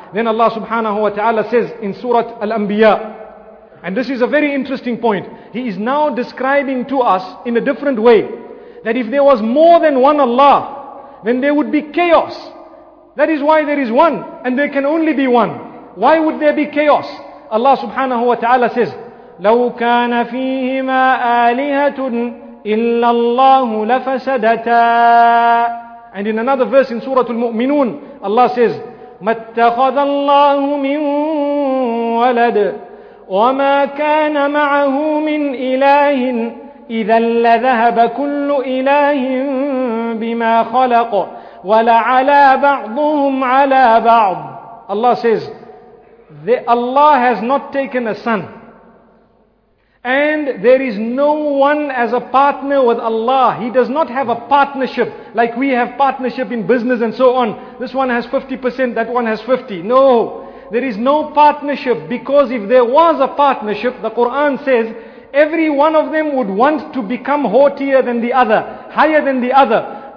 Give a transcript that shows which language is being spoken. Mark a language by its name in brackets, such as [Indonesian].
[English] Then Allah subhanahu wa ta'ala says in Surah Al-Anbiya, and this is a very interesting point, He is now describing to us in a different way that if there was more than one Allah, then there would be chaos. That is why there is one and there can only be one. Why would there be chaos? Allah subhanahu wa ta'ala says, [Arabic] لو كان فيهما آلهة إلا الله لفسدتا. [English] And in another verse in Surah Al-Mu'minun, Allah says, [Arabic] ما اتخذ الله من ولد وما كان معه من إله إذا لذهب كل إله بما خلق ولعلى بعضهم على بعض. [English] Allah says, Allah has not taken a son, and there is no one as a partner with Allah. He does not have a partnership like we have partnership in business and so on. This one has 50%, that one has 50. No, there is no partnership, because if there was a partnership, the Quran says, every one of them would want to become haughtier than the other, higher than the other.